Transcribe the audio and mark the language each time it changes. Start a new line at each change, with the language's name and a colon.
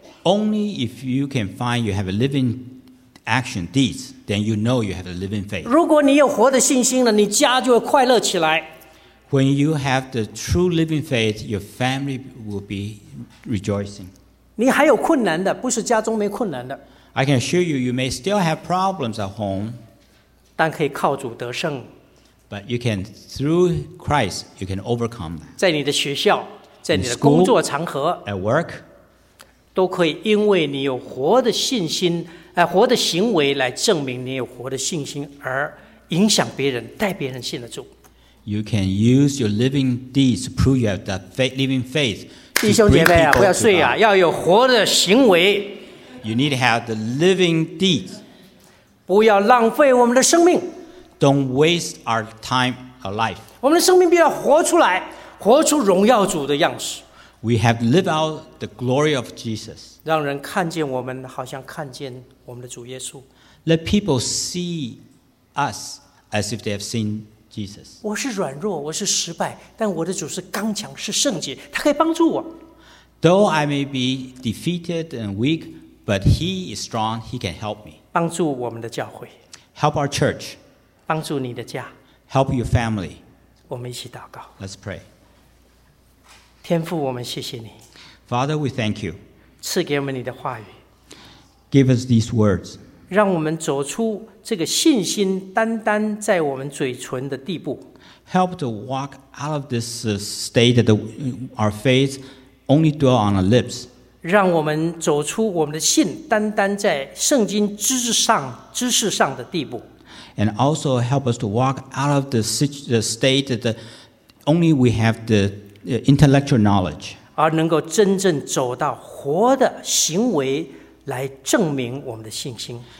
English: Only if you can find you have a living action deeds, then you know you have a living faith.
Chinese: 如果你有活的信心了，你家就会快乐起来。
English: When you have the true living faith, your family will be rejoicing.
Chinese: 你还有困难的，不是家中没困难的。
English: I can assure you, you may still have problems at home.
Chinese: 但可以靠主得胜。
English: But you can, through Christ, you can overcome.
Chinese: 在你的学校，在你的工作场合。
English: At work.
Chinese: 都可以因为你有活的信心、活的行为来证明你有活的信心而影响别人带别人信得住
English: You can use your living deeds to prove you have that faith, living faith
Chinese: 弟兄姐妹、不要睡啊要有活的行为
English: You need to have the living deeds
Chinese: 不要浪费我们的生命
English: Don't waste our time of life
Chinese: 我们的生命必须要活出来活出荣耀主的样式
English: We have lived out the glory of Jesus.
Chinese: 让人看见我们，好像看见我们的主耶稣。
English: Let people see us as if they have seen Jesus.
Chinese: 我是软弱，我是失败，但我的主是刚强，是圣洁，他可以帮助我。
English: Though I may be defeated and weak, but He is strong. He can help me.
Chinese: 帮助我们的教会。
English: Help our church.
Chinese: 帮助你的家。
English: Help your family.
Chinese: 我们一起祷告。
English: Let's pray.
Chinese: 天父我们谢谢你
English: Father we thank you
Chinese: 赐给我们你的话语
English: Give us these words
Chinese: 让我们走出这个信心单单在我们嘴唇的地步
English: Help to walk out of this state that our faith only dwell on our lips
Chinese: 让我们走出我们的信单单在圣经知识上的地步
English: And also help us to walk out of the state that only we have theintellectual knowledge
Chinese: 而能够真正走到活的行为来证明我们的信心